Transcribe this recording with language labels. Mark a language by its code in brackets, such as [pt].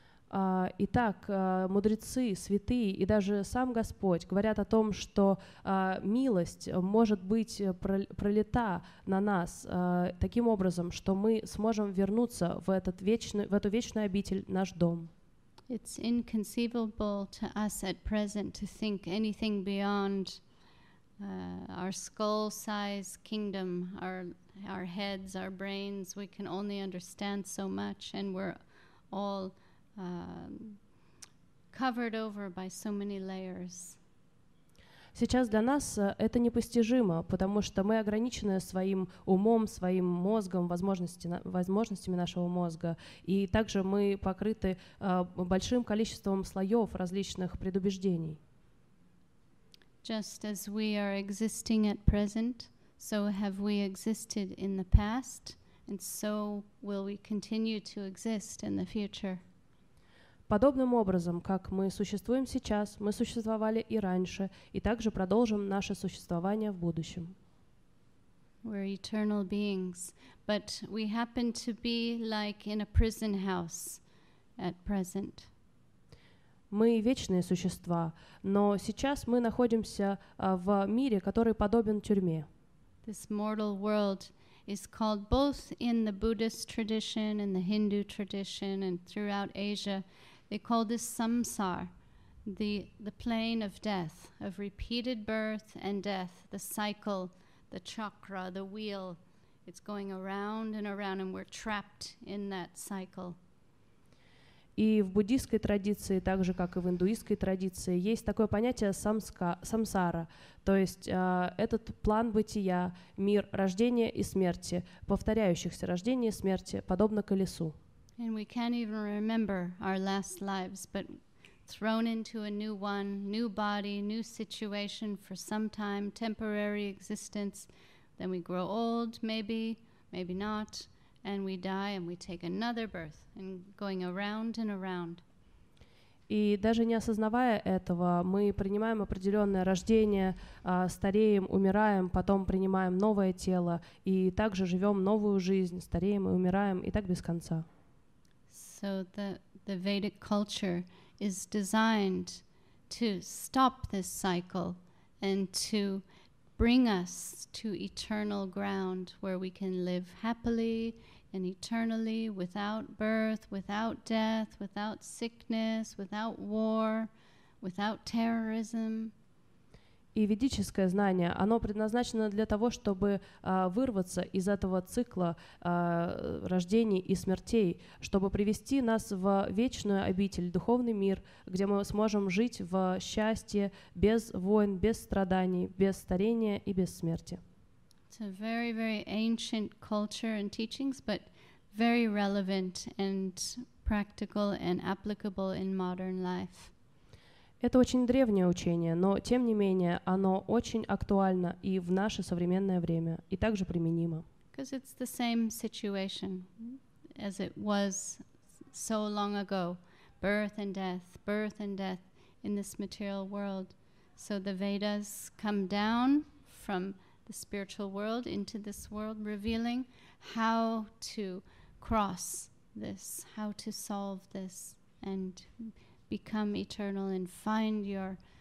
[ru] Итак, мудрецы, святые и даже сам Господь говорят о том, что милость может быть пролита на нас таким образом, что мы сможем вернуться в этот вечный, в эту вечную обитель, наш дом. [en] It's inconceivable to us at present to think anything beyond our skull-sized kingdom, our heads, our brains. We can only understand so much, and we're all covered over by so many layers. [ru] Сейчас для нас это непостижимо, потому что мы ограничены своим умом, своим мозгом, возможностями нашего мозга. И также мы покрыты большим количеством слоев различных предубеждений. [en] Just as we are existing at present, so have we existed in the past, and so will we continue to exist in the future. [ru] Подобным образом, как мы существуем сейчас, мы существовали и раньше, и также продолжим наше существование в будущем. [en] We're eternal beings, but we happen to be like in a prison house at present. [ru] Мы вечные существа, но сейчас мы находимся в мире, который подобен тюрьме. [en] This mortal world is called both in the Buddhist tradition and the Hindu tradition and throughout Asia. They call this samsara, the plane of death, of repeated birth and death, the cycle, the chakra, the wheel. It's going around and around, and we're trapped in that cycle. [ru] И в буддийской традиции, так же, как и в индуистской традиции, есть такое понятие самсара, то есть этот план бытия, мир рождения и смерти, повторяющихся рождения и смерти, подобно колесу. [en] And we can't even remember our last lives, but thrown into a new one, new body, new situation for some time, temporary existence, then we grow old, maybe, maybe not, and we die, and we take another birth, and going around and around. [ru] И даже не осознавая этого, мы принимаем определенное рождение, стареем, умираем, потом принимаем новое тело, и также живем новую жизнь, стареем и умираем, и так без конца. [en] So the Vedic culture is designed to stop this cycle and to bring us to eternal ground where we can live happily and eternally without birth, without death, without sickness, without war, without terrorism. [ru] И ведическое знание, оно предназначено для того, чтобы вырваться из этого цикла рождений и смертей, чтобы привести нас в вечную обитель, духовный мир, где мы сможем жить в счастье, без войн, без страданий, без старения и без смерти. [en] It's a very, very ancient culture and teachings, but very relevant and practical and applicable in modern life. [ru] Это очень древнее учение, но, тем не менее, оно очень актуально и в наше современное время, и также применимо. [en] Because it's the same situation as it was so long ago. Birth and death in this material world. So the Vedas come down from the spiritual world into this world, revealing how to cross this, how to solve this, and become eternal and find your